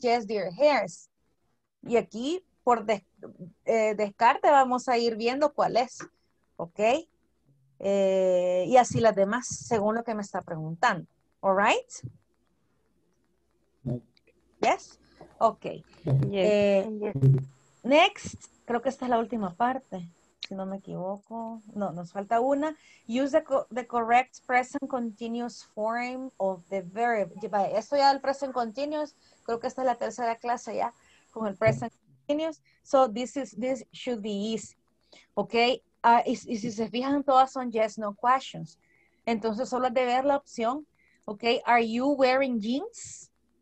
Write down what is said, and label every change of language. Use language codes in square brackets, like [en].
[en] Yes, they're hers. [es] Y aquí, por descarte, vamos a ir viendo cuál es, ok, y así las demás según lo que me está preguntando. [en] All right, yes, ok, yes. [es] Next, creo que esta es la última parte, si no me equivoco. No, nos falta una. [en] Use the correct present continuous form of the verb. [es] Esto ya del present continuous, creo que esta es la tercera clase ya con el present. [en] So this should be easy, okay? [es] Y si se fijan, todas son [en] yes, no questions. [es] Entonces, solo de ver la opción, okay? [en] Are you wearing jeans?